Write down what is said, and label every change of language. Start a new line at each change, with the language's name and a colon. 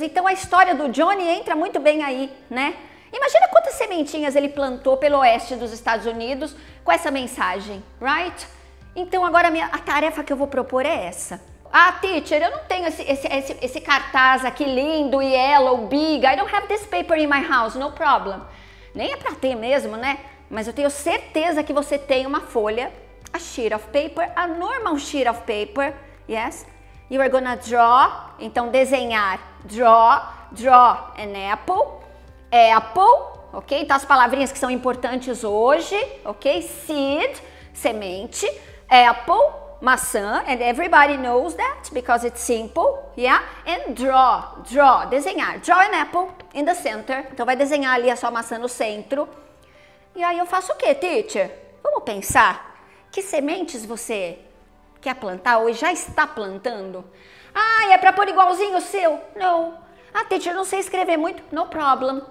Portuguese: Então a história do Johnny entra muito bem aí, né? Imagina quantas sementinhas ele plantou pelo oeste dos Estados Unidos com essa mensagem, right? Então agora a tarefa que eu vou propor é essa. Ah, teacher, eu não tenho esse cartaz aqui lindo, yellow, big.
English: I don't have this paper in my house, no problem.
Portuguese: Nem é pra ter mesmo, né? Mas eu tenho certeza que você tem uma folha, a sheet of paper, a normal sheet of paper, yes?
English: You are gonna draw, então desenhar, draw an apple.
Portuguese: Apple, ok? Então as palavrinhas que são importantes hoje, ok?
English: Seed, semente, apple, maçã, and everybody knows that because it's simple, yeah? And draw, desenhar, draw an apple in the center.
Portuguese: Então vai desenhar ali a sua maçã no centro. E aí eu faço o quê, teacher? Vamos pensar, que sementes você quer plantar ou já está plantando? Ah, é para pôr igualzinho o seu? Não. Ah, teacher, eu não sei escrever muito. No problem.